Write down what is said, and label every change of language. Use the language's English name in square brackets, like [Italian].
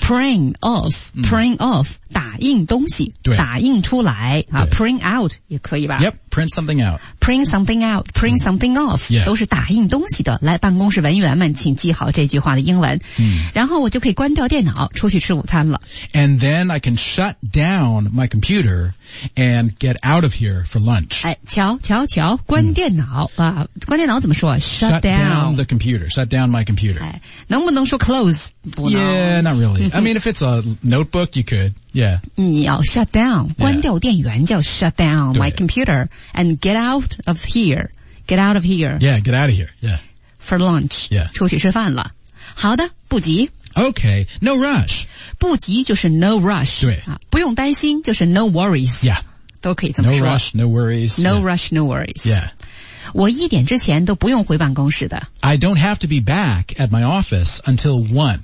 [English] Print off. [Chinese] 打印东西。对。打印出来。 [English] Print out [Chinese] 也可以吧。 [English] Yep, print something out. Print something off.、 Yeah. [Chinese] 都是打印东西的。来，办公室文员们请记好这句话的英文。然后我就可以关掉电脑出去吃午餐了。 [English] And then I can shut down my computer and get out of here for lunch. [Chinese] 哎，瞧关电脑。关电脑怎么说 [English] ?Shut down the computer. Shut down my computer.、 [Chinese] 哎能不能说 close? [English] Yeah, not really. I mean, if it's a notebook, you could. Yeah. [Chinese] 你要 shut down. 关掉电源叫 [English] shut down my computer. And get out of here. Get out of here. Yeah, get out of here. Yeah. For lunch. Yeah. [Chinese] 出去吃饭了。好的，不急。 [English] Okay, no rush. [Chinese] 不急就是 no rush. 对。不用担心就是 no worries. [English] Yeah. [Chinese] 都可以这么说。 [English] No rush, no worries. No rush, no worries. Yeah. [Chinese] 我一点之前都不用回办公室的。 [English] I don't have to be back at my office until 1.